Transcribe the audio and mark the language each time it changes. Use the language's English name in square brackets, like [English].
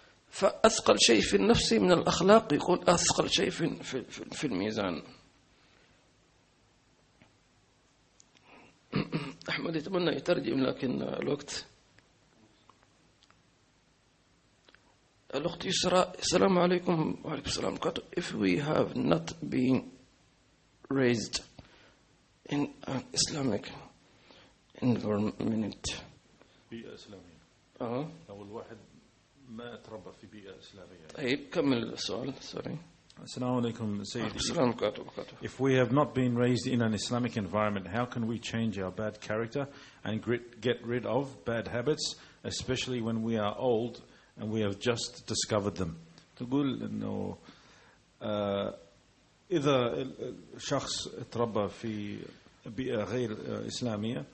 [Arabic] فأثقل شيء في النفس من الأخلاق يقول أثقل شيء في الميزان. أحمد يتمنى يترجم لكن الوقت. الأخت يسرى، السلام عليكم. وعليكم السلام. [English] If we have not been raised in an Islamic environment، [Arabic] بيئة إسلامية، أو الواحد ما تربى في بيئة إسلامية، طيب كمل السؤال. سوري. [English] Assalamu alaikum, Sayyidi. Assalamu alaikum wa rahmatullahi. If we have not been raised in an Islamic environment, how can we change our bad character and get rid of bad habits, especially when we are old and we have just discovered them? [Arabic] تقول إنه إذا الشخص تربى في بيئة غير إسلامية،